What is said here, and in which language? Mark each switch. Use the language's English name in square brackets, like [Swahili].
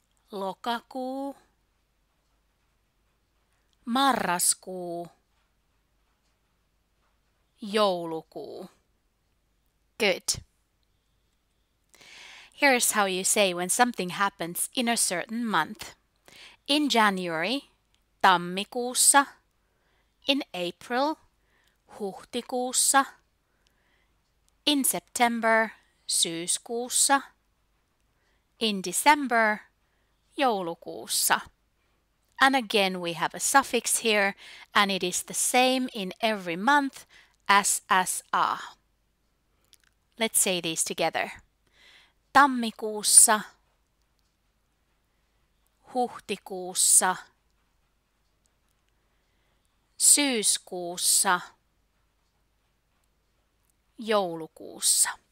[Finnish] Lokakuu. Marraskuu. Joulukuu. [English] Good. Here's how you say when something happens in a certain month. In January, [Finnish] tammikuussa. [English] In April, [Finnish] huhtikuussa. [English] In September, [Finnish] syyskuussa. [English] In December, [Finnish] joulukuussa. [English] And again, we have a suffix here, and it is the same in every month as a. Let's say these together. [Finnish] Tammikuussa, huhtikuussa, syyskuussa, joulukuussa.